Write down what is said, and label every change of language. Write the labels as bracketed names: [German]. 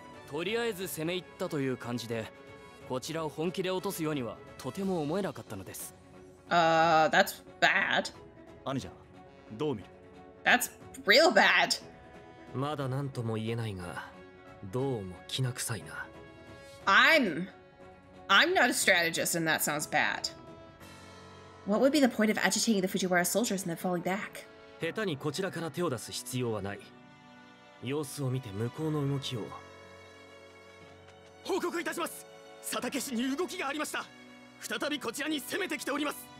[Japanese] とりあえず攻め入ったという感じで、こちらを本気で落とすようにはとても思えなかったのです。 [English] That's bad. [Japanese] 兄者、どう見る? [English] That's real bad. [Japanese] まだ何とも言えないが、どうも気な臭いな。 [English] I'm not a strategist, and that sounds bad. What would be the point of agitating the Fujiwara soldiers and then falling back? [Japanese] 下手にこちらから手を出す必要はない。様子を見て向こうの動きを。報告いたします。佐竹氏に動きがありました。再びこちらに攻めてきております。